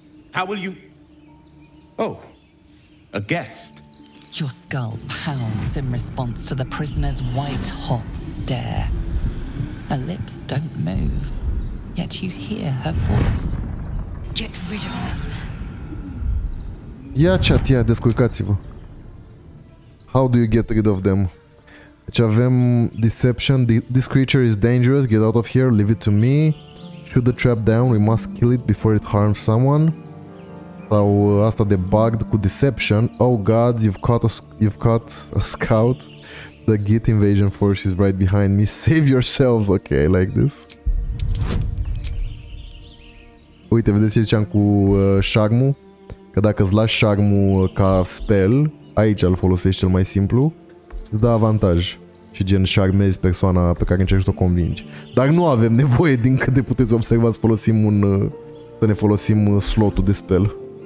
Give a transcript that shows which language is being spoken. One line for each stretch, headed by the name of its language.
English: How will you? Oh, a guest. Your skull pounds in response to the prisoner's white hot stare. Her lips don't move, yet you hear her voice. Get rid of them.
Romanian: Ia chat, ia, descurcați-vă.
English: How do you get rid of them?
Romanian: Deci avem deception.
English: This creature is dangerous. Get out of here. Leave it to me. Shoot the trap down. We must kill it before it harms someone.
Romanian: Sau asta debugged cu deception.
English: Oh god, you've caught a scout. The Geat invasion force is right behind me. Save yourselves. Okay, I like this.
Romanian: Uite, vedeți ce ziceam cu Sharmu? Că dacă îți lași Sharmu ca spell, aici îl folosești cel mai simplu. Îți dă avantaj și gen șarmezi persoana pe care încerci să o convingi. Dar nu avem nevoie, din câte puteți observa, să folosim un să ne folosim slotul de spell.